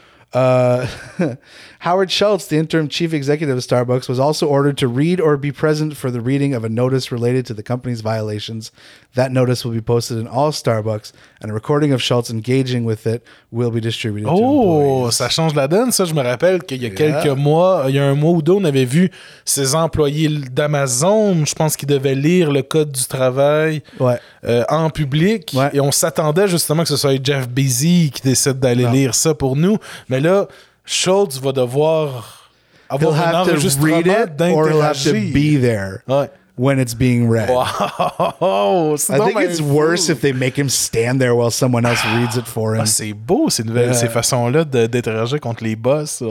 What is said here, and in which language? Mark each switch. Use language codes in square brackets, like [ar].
[en] Howard Schultz, the interim chief executive of Starbucks, was also ordered to read or be present for the reading of a notice related to the company's violations. That notice will be posted in all Starbucks, and a recording of Schultz engaging with it will be distributed to employees. [fr] Oh, ça change la donne, ça. Je me rappelle qu'il y a quelques mois, il y a un mois ou deux, on avait vu ces employés d'Amazon, je pense qu'ils devaient lire le code du travail en public. Ouais. Et on s'attendait justement que ce soit Jeff Bezos qui décide d'aller lire ça pour nous. Mais là, Schultz va devoir avoir un enregistrement d'interagir. [en] Or he'll have to be there when it's being read. Wow. I think it's worse if they make him stand there while someone else reads it for him. [fr] Ah, c'est beau, ces façons-là d'interagir contre les boss.